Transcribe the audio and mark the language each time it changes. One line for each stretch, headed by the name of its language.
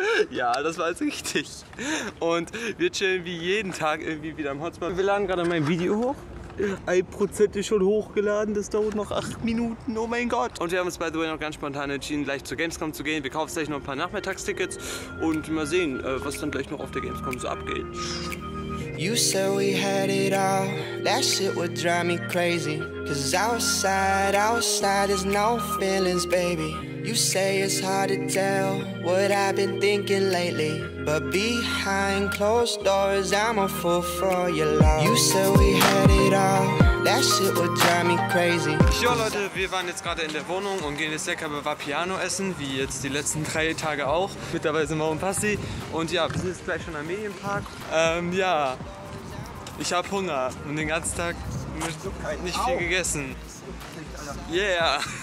German: Ja, das war jetzt richtig. Und wir chillen wie jeden Tag irgendwie wieder im Hotspot. Wir laden gerade mein Video hoch. 1% ist schon hochgeladen, das dauert noch 8 Minuten, oh mein Gott. Und wir haben uns,
English: by the way,
German: noch ganz spontan entschieden, gleich zur Gamescom zu gehen. Wir kaufen gleich noch ein paar Nachmittagstickets und mal sehen, was dann gleich noch auf der Gamescom so abgeht.
English: You said we had it all, that shit would drive me crazy. Cause outside, outside, there's no feelings, baby. You say it's hard to tell what I've been thinking lately. But behind closed doors, I'm a fool for your love. You said we had it all, that shit would drive me crazy.
German: Jo Leute, wir waren jetzt gerade in der Wohnung und gehen jetzt lecker Vapiano essen, wie jetzt die letzten drei Tage auch. Mittlerweile sind wir um Passi. Und ja, wir sind jetzt gleich schon am Medienpark. Ja, ich hab Hunger und den ganzen Tag nicht viel gegessen. Yeah!